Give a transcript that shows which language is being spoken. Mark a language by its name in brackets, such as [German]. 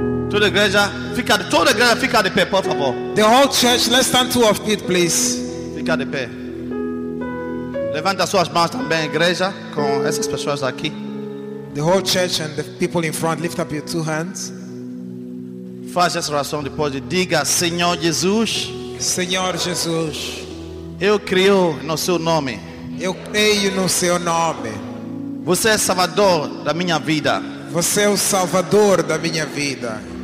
[Portuguese] Toda igreja, fica de, toda igreja, fica de pé, por favor. [English] The whole church, let's stand to our feet, please. [Portuguese] Fica de pé. Levanta suas mãos também, igreja, com essas pessoas aqui. [English] The whole church and the people in front, lift up your two hands. [Portuguese] Faz essa oração depois de diga, Senhor Jesus. Senhor Jesus, eu creio no seu nome. Eu creio no seu nome. Você é salvador da minha vida. Você é o salvador da minha vida.